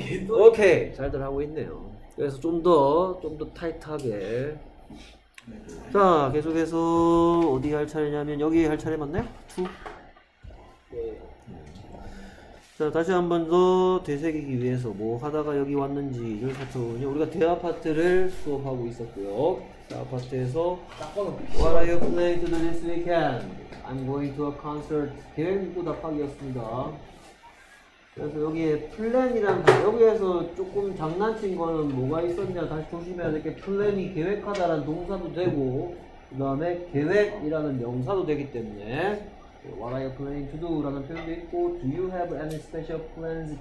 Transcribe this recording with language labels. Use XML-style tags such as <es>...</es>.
<ko>오케이, 잘들 하고 있네요. 그래서 좀 더 타이트하게. 자, 계속해서 어디 할 차례냐면 여기 할 차례 맞네? 투. 자, 다시 한번 더 되새기기 위해서 뭐 하다가 여기 왔는지를 살펴보면 우리가 대아파트를 수업하고 있었고요. 대아파트에서</ko> <en>What are you planning to do this weekend? I'm going to a concert.</en> <ko>계획도 답하기였습니다. 그래서 여기에 플랜이란 여기에서 조금 장난친 거는 뭐가 있었냐 다시 조심해야 될게 플랜이 계획하다라는 동사도 되고 그 다음에 계획이라는 명사도 되기 때문에</ko> <en>What are you planning to do?</en> <ko>라는 표현도 있고</ko> <en>Do you have any special plans?</en>